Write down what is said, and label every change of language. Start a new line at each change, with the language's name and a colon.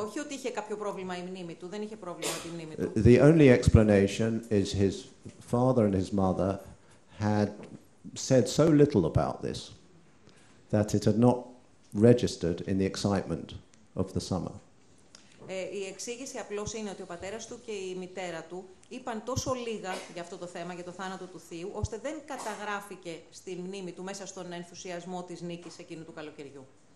Greek: Όχι ότι είχε κάποιο πρόβλημα η μνήμη του, δεν είχε πρόβλημα τη μνήμη του.
English: The only explanation is his father and his mother had said so little about this that it had not registered in the excitement of the summer.
Greek: Η εξήγηση απλώς είναι ότι ο πατέρας του και η μητέρα του είπαν τόσο λίγα για αυτό το θέμα, για το θάνατο του θείου, ώστε δεν καταγράφηκε στη μνήμη του μέσα στον ενθουσιασμό της νίκης εκείνου του καλοκαιριού.